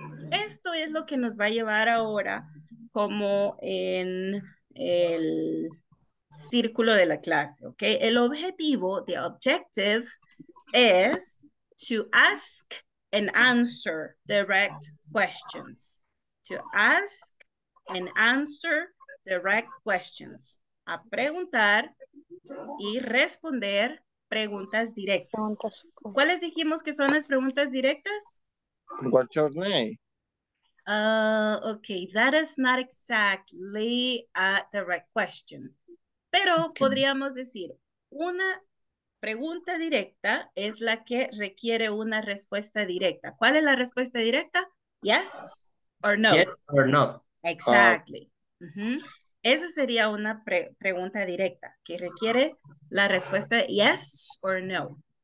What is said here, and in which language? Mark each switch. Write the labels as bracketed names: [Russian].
[Spanish] Esto es lo que nos va a llevar ahora como en el círculo de la clase, okay? El objetivo, [English] the objective, is to ask and answer direct questions. to ask and answer direct questions. [Spanish] A preguntar y responder preguntas directas. ¿Cuáles dijimos que son las preguntas directas? [English] What's your name? Okay, that is not exactly a direct question. [Spanish] Pero okay, podríamos decir, una pregunta directa es la que requiere una respuesta directa. ¿Cuál es la respuesta directa? [English] Yes or no. Yes or no. Exactly. [Spanish] Esa sería una pregunta directa que requiere la respuesta de [English] yes or no.